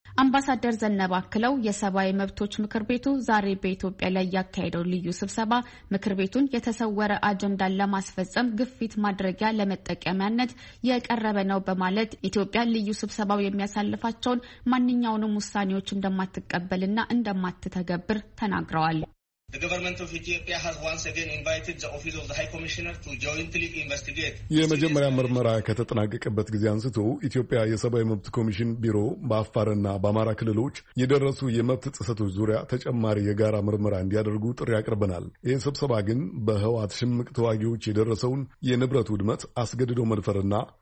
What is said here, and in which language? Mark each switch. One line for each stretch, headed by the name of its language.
Amharic: አምባሳደር ዘነበ አክለው የሰብአዊ መብቶች ምክር ቤቱ ዛሬ በኢትዮጵያ ላይ ያካሄደው ልዩ ስብሰባ ምክር ቤቱን የተሰወረ አጀንዳ ለማስፈጸም ግፊት ማድረጊያ ለመጠቀሚያነት የቀረበ ነው በማለት ኢትዮጵያ ልዩ ስብሰባው የሚያሳልፋቸውን ማንኛውንም ውሳኔዎች እንደማትቀበልና እንደማትተገብር ተናግረዋል።
English: The government of Ethiopia has once again invited the office of the High Commissioner to jointly investigate.
Amharic: የመጀመሪያ ምርመራ ከተጠናቀቀበት ጊዜ አንስቶ ኢትዮጵያ የሰብአዊ መብት ኮሚሽን ቢሮ በአፋርና በአማራ ክልሎች የደረሱ የመብት ጥሰቶች ዙሪያ ተጨማሪ የጋራ ምርመራ እንዲያደርጉ ጥሪ አቅርበናል። ይህ ስብሰባ ግን በህወሓት ሽምቅ ተዋጊዎች የደረሰውን የንብረት ውድመት አስገድዶ መድፈርና